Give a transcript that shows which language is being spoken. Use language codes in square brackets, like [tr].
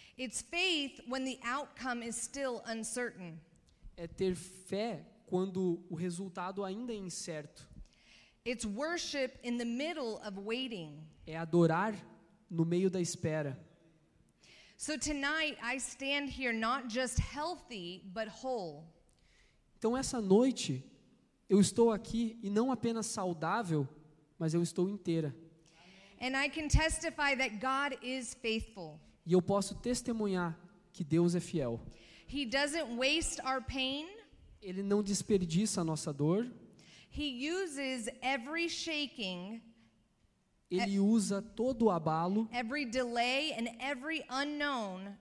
[en] It's faith when the outcome is still uncertain. [pt] É ter fé quando o resultado ainda é incerto. [en] It's worship in the middle of waiting. [pt] É adorar no meio da espera. [en] So tonight I stand here not just healthy, but whole. [pt] Então essa noite eu estou aqui e não apenas saudável, mas eu estou inteira. [en] And I can testify that God is faithful. [pt] E eu posso testemunhar que Deus é fiel. [en] He doesn't waste our pain. [pt] Ele não desperdiça a nossa dor. [en] He uses every shaking. [pt] Ele usa todo o abalo. [en] Every delay and every unknown.